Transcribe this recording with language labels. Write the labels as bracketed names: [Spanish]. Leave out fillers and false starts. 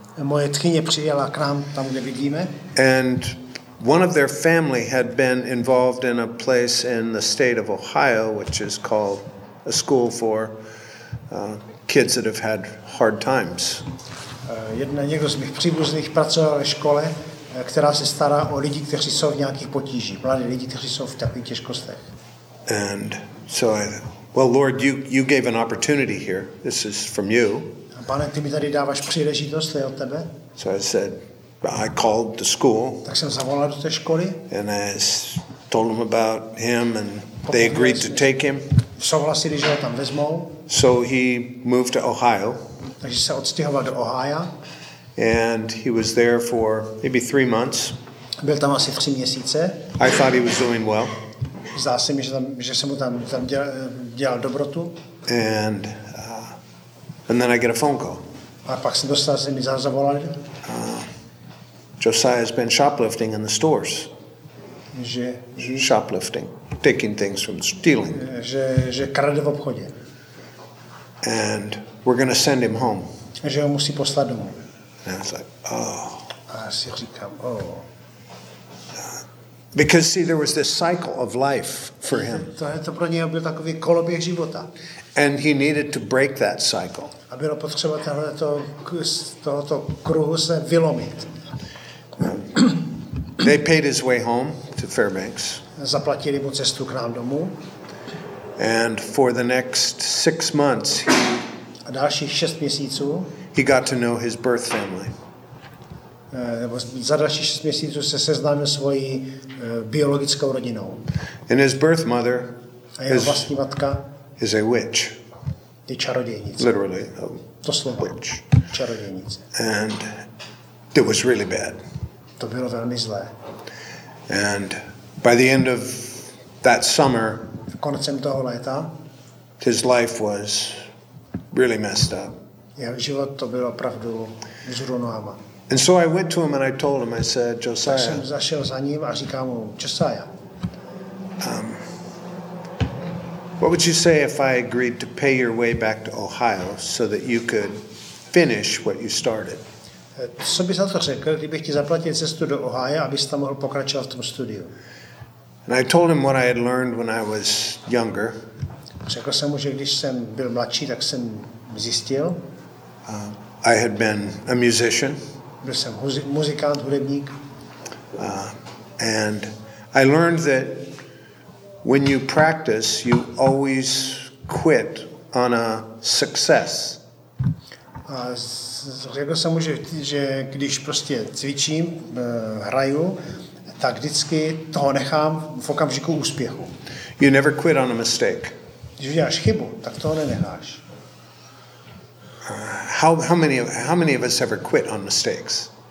[Czech] Moje tchyně přijela k nám, tam, kde bydlíme. [English] And one of their family had been involved in a place in the state of Ohio, which is called a school for kids that have had hard times. [Czech] Někdo z mých příbuzných pracoval ve škole, která se stará o lidi, kteří jsou v nějakých potížích. Mladí lidi, kteří jsou v takových těžkostech. [English] And so I, well, Lord, you gave an opportunity here. This is from you. [Czech] Pane, ty mi tady dáváš příležitost, to je od tebe. [English] So I said, I called the school. [Czech] Tak jsem zavolal do té školy. [English] And I told them about him, and they agreed to take him. [Czech] Souhlasili, že ho tam vezmou. [English] So he moved to Ohio. [Czech] Takže se odstěhoval do Ohia. [English] And he was there for maybe 3 months. [Czech] Byl tam asi 3 měsíce. [English] I thought he was doing well. [Czech] Zdá se mi, že se mu tam dělal dobrotu. [English] And then I get a phone call. [Czech] A pak jsem dostal, že mi zavolali. [English] Josiah has been shoplifting in the stores. [Czech] Že [English] shoplifting, taking things from stealing. [Czech] Že krade v obchodě. [English] And we're going to send him home. [Czech] Že ho musí poslat domů. [English] And I was like, oh. [Czech] A si říkám, oh. [English] Because see, there was this cycle of life for him. [Czech] To pro něj byl takový koloběh života. [English] And he needed to break that cycle. [Czech] A bylo potřeba tohoto kruhu se vylomit. [English] They paid his way home to Fairbanks. [Czech] Zaplatili mu cestu k nám domů. [English] And for the next 6 months, [Czech] a dalších 6 měsíců, [English] he got to know his birth family. [Czech] Za dalších 6 měsíců se seznámil svojí biologickou rodinou. [English] And his birth mother, [Czech] a jeho vlastní matka, [English] is a witch. [Czech] Je čarodějnice. [English] Literally, [Czech] doslova, [English] witch. [Czech] Čarodějnice. [English] And it was really bad. [Czech] To bylo velmi zlé. [English] And by the end of that summer, [Czech] koncem toho léta, [English] his life was really messed up. [Czech] Jeho život to bylo opravdu zrunováno. [English] And so I went to him and I told him, I said, Josiah. [Czech] Tak jsem zašel za ním a říkám mu, Josiah. [English] What would you say if I agreed to pay your way back to Ohio so that you could finish what you started? [Czech] Co bys na to řekl, kdybych ti zaplatil cestu do Ohia, abys tam mohl pokračovat v tom studiu? [English] And I told him what I had learned when I was younger. [Czech] Řekl jsem mu, že když jsem byl mladší, tak jsem zjistil. [English] I had been a musician. [Czech] Byl jsem muzikant, hudebník. [English] And I learned that when you practice, you always quit on a success. [Czech] A řekl jsem mu, že když prostě cvičím, hraju, tak vždycky toho nechám v okamžiku úspěchu. [English] You never quit on a mistake. [Czech] Když uděláš chybu, tak toho nenecháš. [English] How many of us ever quit on mistakes?